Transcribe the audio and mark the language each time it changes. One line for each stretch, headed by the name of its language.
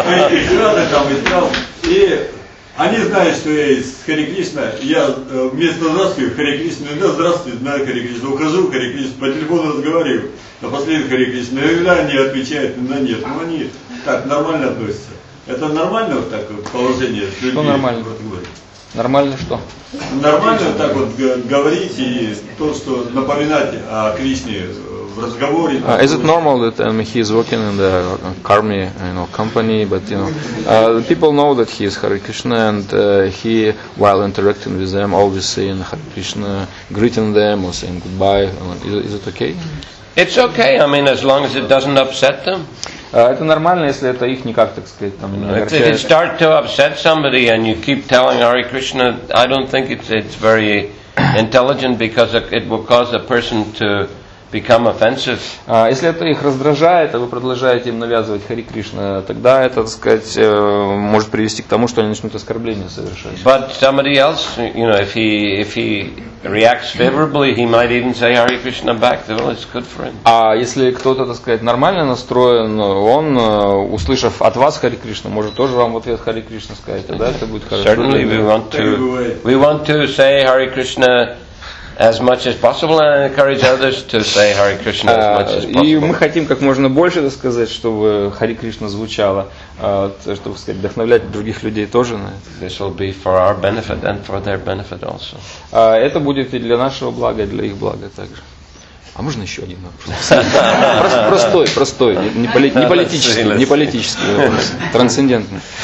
Russian: Экстраты там и там. И... Они знают, что я из Харе Кришна, я вместо здравствуй, Харе Кришна, да, здравствуй, знаю Харе Кришна, ухожу в Харе Кришна, по телефону разговариваю, напоследок Харе Кришна, иногда они отвечают, иногда нет, но они так нормально относятся. Это нормально вот так вот положение? Что людей, нормально? Нормально что? Нормально вот так вот говорить и то, что напоминать о Кришне в разговоре.
English: Is it normal that he is working in the Karmi, company, but people know that he is Hare Krishna and he, while interacting with them, always saying Hare Krishna, greeting them or saying goodbye. Is it okay? It's okay. I mean, as long as it doesn't upset them.
Russian: Это нормально, если это их никак, так сказать, там, не огорчает.
English: If it start to upset somebody and you keep telling Hare Krishna, I don't think it's very intelligent because it will cause a person to become offensive.
Russian: Если это их раздражает, а вы продолжаете им навязывать Хари Кришна, тогда это, так сказать, может привести к тому, что они начнут оскорбления совершать.
English: But somebody else, you know, if he reacts favorably, he might even say Hare Krishna back. Well, it's good for him.
Russian: А если кто-то, так сказать, нормально настроен, он, услышав от вас Хари Кришна, может тоже вам в ответ Хари Кришна сказать, тогда это будет хорошо.
English: Certainly, we want to say Hare Krishna as much as possible and encourage others to say Hare Krishna as much as possible.
Russian: И мы хотим как можно больше сказать, чтобы Хари Кришна звучало, чтобы сказать, вдохновлять других людей тоже на это.
English: This will be for our benefit and for their benefit also.
Russian: Это будет и для нашего блага, и для их блага также. А можно еще один вопрос? Простой, не политический вопрос, трансцендентный.